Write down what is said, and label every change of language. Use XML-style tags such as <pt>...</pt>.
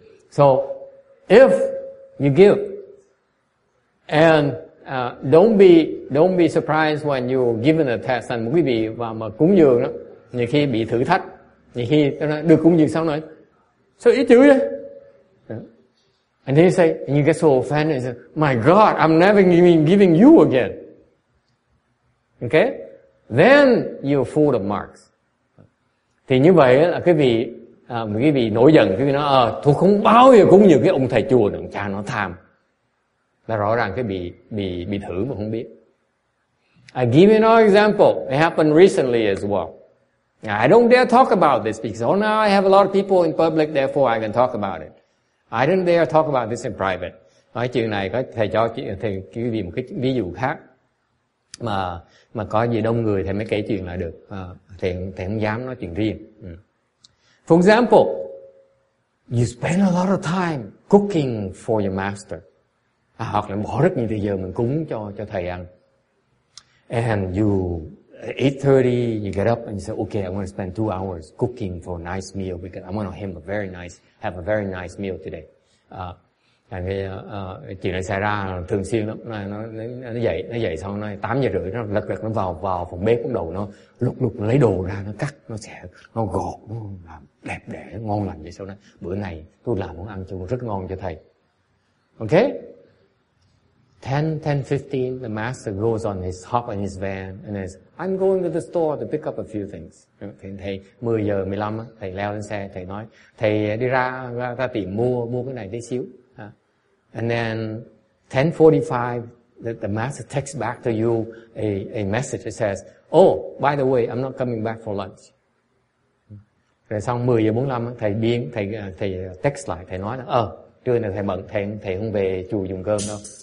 <en>So, if you give, and don't be surprised when you given a test and</en> <vi>quý vị và mà cúng dường đó, nhiều khi bị thử thách, nhiều khi được cúng dường xong rồi, sao ít chữ vậy?</vi> <en>And then you say, and you get so offended, you say, "My God, I'm never giving you again." Okay? Then you're full of marks.</en> <vi>Thì như vậy là quý vị nổi giận, quý vị nói, tôi không bao giờ cúng dường cái ông thầy chùa này, ông cha nó tham. Là rõ ràng cái bị thử mà không biết.</vi> <en>I give you an example. It happened recently as well. I don't dare talk about this because now I have a lot of people in public, therefore I can talk about it. I don't dare talk about this in private.</en> <vi>Nói chuyện này có thầy cho thầy quý vị một cái ví dụ khác mà có gì đông người thầy mới kể chuyện lại được. Thầy không dám nói chuyện riêng.</vi> <en>For example, you spend a lot of time cooking for your master.</en> <vi>Hoặc là bỏ rất nhiều thời giờ mình cúng cho thầy ăn.</vi> <en>And you 8:30, you get up and you say, "Okay, I'm going to spend 2 hours cooking for a nice meal because I'm going to have a very nice meal today."</en> <vi>Chuyện này xảy ra thường xuyên lắm. Nó dậy xong nó 8:30 nó lật nó vào phòng bếp bắt đầu nó lục nó lấy đồ ra nó cắt nó sẽ nó gọt nó làm đẹp đẽ ngon lành vậy sau này bữa này tôi làm món ăn cho rất ngon cho thầy.</vi> <en>Okay. 10:15, the master goes on his hop in his van and says, "I'm going to the store to pick up a few things."</en> <vi>Thầy 10:15 thầy leo lên xe, thầy nói, thầy đi ra tìm mua cái này tí xíu.</vi> <en>And then 10:45, the master texts back to you a message that says, "Oh, by the way, I'm not coming back for lunch."</en> <vi>Rồi xong 10:45 thầy text lại, thầy nói là, trưa này thầy bận, thầy không về chùa dùng cơm đâu.</vi>